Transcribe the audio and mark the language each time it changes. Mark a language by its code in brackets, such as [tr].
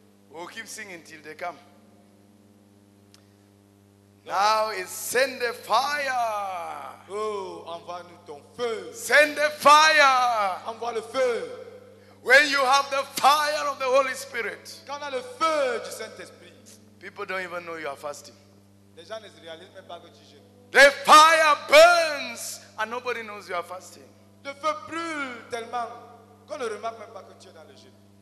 [en] We'll keep singing till they come. Now it's send the fire. [fr] Oh, envoie nous ton feu. [en] Send the fire. [fr] Envoie le feu. [en] When you have the fire of the Holy Spirit. [fr] Quand on a le feu du Saint-Esprit. [en] People don't even know you are fasting. [fr] Les gens ne réalisent même pas que tu jeûnes. [en] The fire burns and nobody knows you are fasting. [fr] Le feu brûle tellement qu'on ne remarque même pas que tu es dans le jeûne.